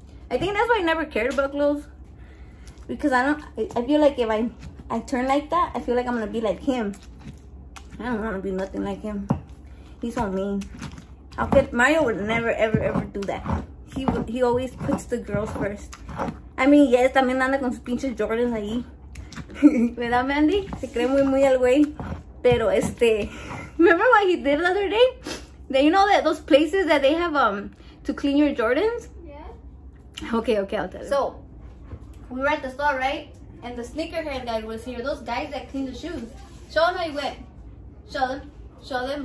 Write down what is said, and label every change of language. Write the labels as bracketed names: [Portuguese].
[English] I think that's why I never cared about clothes. Because I feel like if I turn like that, I feel like I'm going to be like him. I don't want to be nothing like him. He's so mean. Mario would never, ever, ever do that. He always puts the girls first. I mean, yes, [Spanish] también anda con sus pinches Jordans ahí. ¿Verdad, Mandy? Se cree muy, muy al güey. Pero, [English] remember what he did the other day? You know that those places that they have to clean your Jordans? Yeah. Okay, I'll tell you. So, we were at the store, right? And the sneakerhead guy was here. Those guys that clean the shoes. Show them how you went. Show them.